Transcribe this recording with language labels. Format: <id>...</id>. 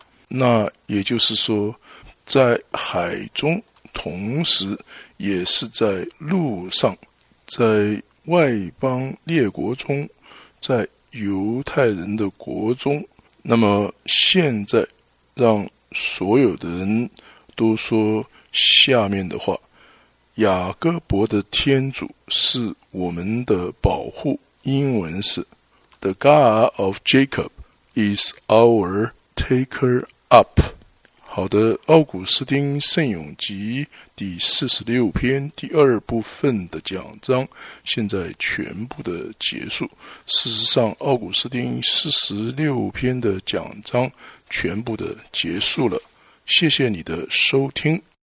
<zh>那也就是说，在海中，同时也是在陆上，在外邦列国中，在犹太人的国中。那么现在让所有的人都说下面的话，雅各伯的天主是我们的保护。英文是</zh> <en>The God of Jacob is our taker up。</en> <zh>好的，奥古斯丁圣咏集第46篇第二部分的讲章现在全部的结束。事实上，奥古斯丁46篇的讲章全部的结束了。谢谢你的收听。</zh>